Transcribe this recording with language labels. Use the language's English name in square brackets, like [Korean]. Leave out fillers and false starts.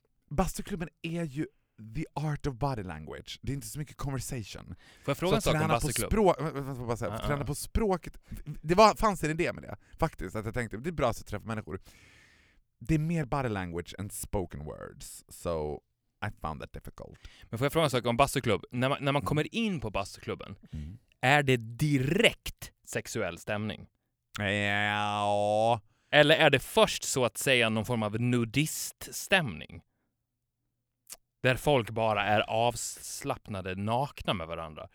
[Swedish] Bastuklubben är ju [English] the art of body language. [Swedish] Det är inte så mycket conversation. Får jag fråga en sak om Bastuklubben? Får jag träna på språket? Det var, fanns en idé med det, faktiskt. Att jag tänkte, det är bra att träffa människor. Det är mer [English] body language [Swedish] än [English] spoken words. So I found that difficult. [Swedish] Men får jag fråga en sak om Bastuklubben? När man kommer in på Bastuklubben, är det direkt sexuell stämning? Ja. Eller är det först så att säga någon form av nudiststämning? Där folk bara är avslappnade, nakna med varandra.